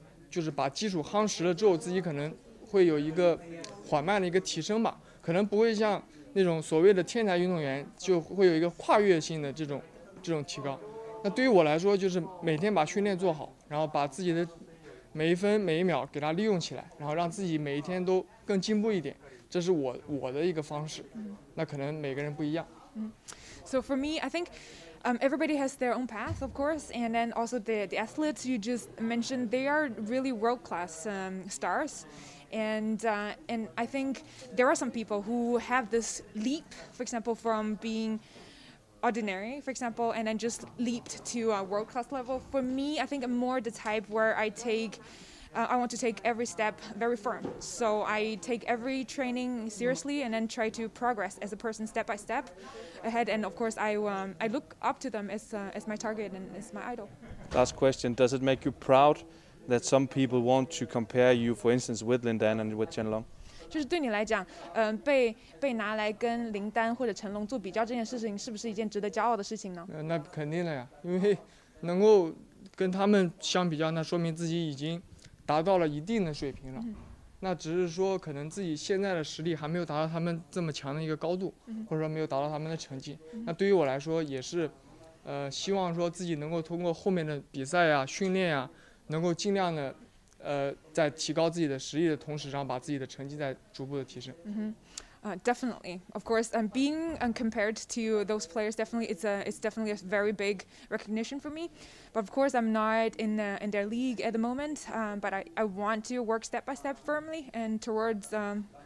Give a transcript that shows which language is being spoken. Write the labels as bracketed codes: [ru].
[zh] 就是把基础夯实了之后，自己可能会有一个缓慢的一个提升吧，可能不会像那种所谓的天才运动员就会有一个跨越性的这种提高，那对于我来说就是每天把训练做好，然后把自己的每一分每一秒给它利用起来，然后让自己每一天都更进步一点，这是我的一个方式，那可能每个人不一样。 [en] So for me, I think everybody has their own path, of course, and then also the athletes you just mentioned, they are really world-class stars. And I think there are some people who have this leap, for example, from beingordinary, for example, and then just leaped to a world-class level. For me, I think I'm more the type where I want to take every step very firm. So I take every training seriously and then try to progress as a person step by step ahead. And of course, I look up to them as my target and as my idol. Last question, does it make you proud that some people want to compare you, for instance, with Lin Dan and with Chen Long? [zh] 就是对你来讲，被拿来跟林丹或者成龙做比较这件事情，是不是一件值得骄傲的事情呢？那肯定了呀，因为能够跟他们相比较，那说明自己已经达到了一定的水平了。那只是说可能自己现在的实力还没有达到他们这么强的一个高度，或者说没有达到他们的成绩。那对于我来说也是，希望说自己能够通过后面的比赛呀、训练呀，能够尽量的。在提高自己的实力的同时，然后把自己的成绩再逐步的提升。 [en] Definitely, of course, and being compared to those players, definitely it's definitely a very big recognition for me. But of course, I'm not in their league at the moment. But I want to work step by step firmly and towards them.